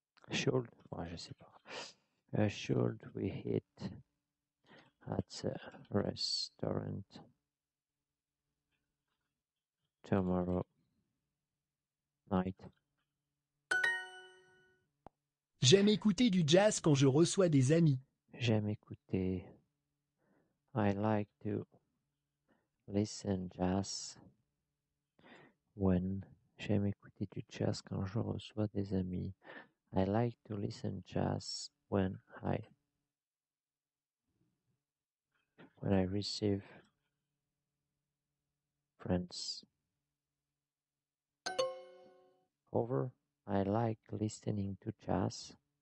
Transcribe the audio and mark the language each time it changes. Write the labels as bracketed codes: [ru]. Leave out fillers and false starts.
[fr] Should, ouais, je sais pas. [en] Should we eat at the restaurant tomorrow night? [fr] J'aime écouter du jazz quand je reçois des amis. J'aime écouter. [en] I like to listen jazz when. [fr] J'aime écouter du jazz quand je reçois des amis. [en] I like to listen jazz when I receive friends over. I like listening to jazz.